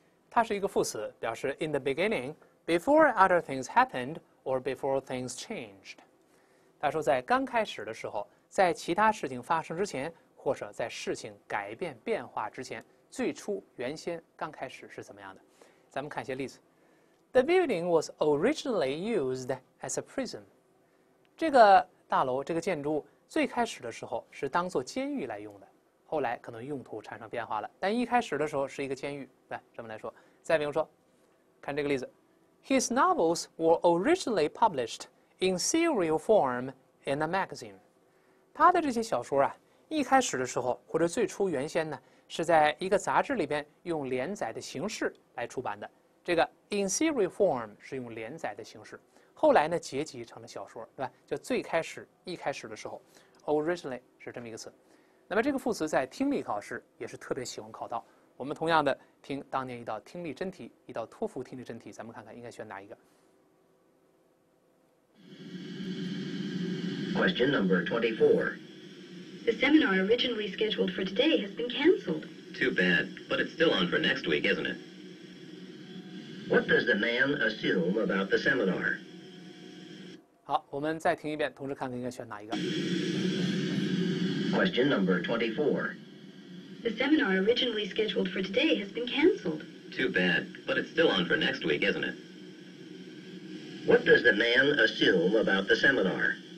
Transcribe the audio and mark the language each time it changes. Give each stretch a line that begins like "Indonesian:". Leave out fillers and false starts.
Chinese: 它是一个副词，表示
English: in the beginning, before other things happened, or before things changed。
Chinese: 他说在刚开始的时候，在其他事情发生之前，或者在事情改变、变化之前，最初、原先、刚开始是怎么样的？咱们看一些例子。
English: The building was originally used as a prison。
Chinese: 这个大楼、这个建筑最开始的时候是当作监狱来用的，后来可能用途产生变化了，但一开始的时候是一个监狱。来，这么来说。再比如说，看这个例子。
English: His novels were originally published in serial form in a magazine。
Chinese: 他的这些小说啊，一开始的时候或者最初原先呢，是在一个杂志里边用连载的形式来出版的。这个
English: in serial form
Chinese: 是用连载的形式，后来呢结集成了小说，对吧？就最开始一开始的时候 originally 是这么一个词。那么这个副词在听力考试也是特别喜欢考到。我们同样的听当年一道听力真题，一道托福听力真题，咱们看看应该选哪一个。
English: Question number 24. The seminar originally scheduled for today has been canceled. Too bad, but it's still on for next week, isn't it? What does the man assume about the seminar?
Chinese: 好，我们再听一遍，同时看看应该选哪一个。
English: Question number 24. The seminar originally scheduled for today has been canceled. Too bad, but it's still on for next week, isn't it? What does the man assume about the seminar?